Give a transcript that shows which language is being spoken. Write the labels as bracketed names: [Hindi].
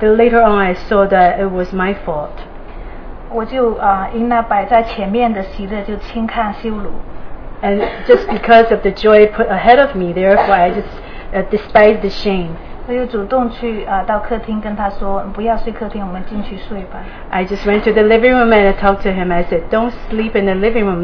[English] the later on, I saw that it was my fault. [Chinese] 我就因那摆在前面的喜乐就轻看羞辱。 [English] And just because of the joy put ahead of me, therefore I just despised the shame. [Chinese] 我就主动去到客厅跟他说，不要睡客厅，我们进去睡吧。 [English] I just went to the living room and I talked to him. I said, "Don't sleep in the living room.